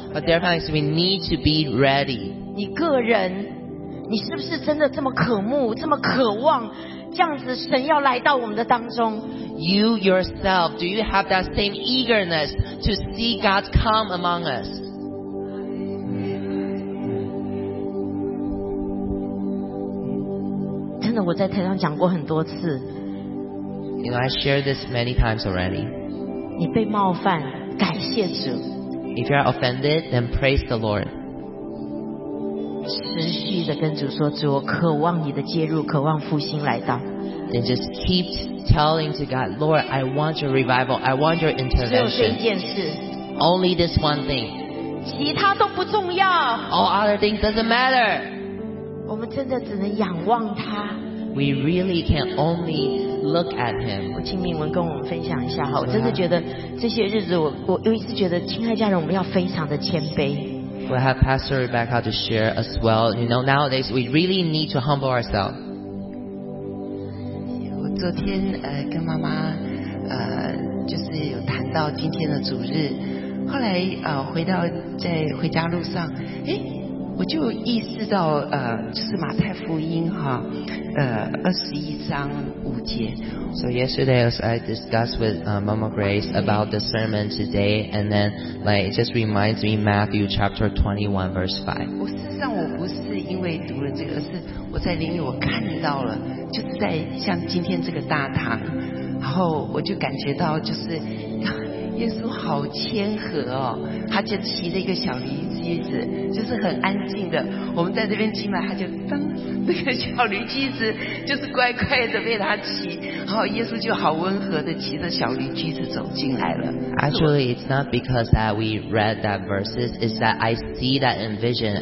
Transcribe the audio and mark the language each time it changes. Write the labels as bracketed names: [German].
[English] But dear friends, we need to be ready. [Chinese] 你个人，你是不是真的这么渴慕，这么渴望，这样子神要来到我们的当中？ [English] You yourself, do you have that same eagerness to see God come among us? [Chinese] 真的，我在台上讲过很多次。 [English] You know, I shared this many times already. [Chinese] 你被冒犯，感谢主。 [English] If you are offended, then praise the Lord. [Chinese] 持续地跟主说，主，我渴望你的介入，渴望复兴来到。 [English] Then just keep telling to God, Lord, I want your revival, I want your intervention. [Chinese] 只有这一件事。 [English] Only this one thing. [Chinese] 其他都不重要。 [English] All other things doesn't matter. [Chinese] 我们真的只能仰望他。 [English] We really can only look at him. [Chinese] 我请敏文跟我们分享一下哈，我真的觉得这些日子我一直觉得，亲爱家人，我们要非常的谦卑。 [English] We have Pastor Rebecca to share as well. You know, nowadays we really need to humble ourselves. [Chinese] 我昨天跟妈妈就是有谈到今天的主日，后来回家路上，我就意识到就是马太福音哈。 21:5. [English] So yesterday as I discussed with Mama Grace about the sermon today, and then like it just reminds me Matthew chapter 21:5. [Chinese] 耶稣好谦和哦，他就骑着一个小驴驹子，就是很安静的。我们在这边经过，他就当那个小驴驹子就是乖乖的被他骑，然后耶稣就好温和的骑着小驴驹子走进来了。 [English] Actually, it's not because that we read that verses, it's that I see that in vision.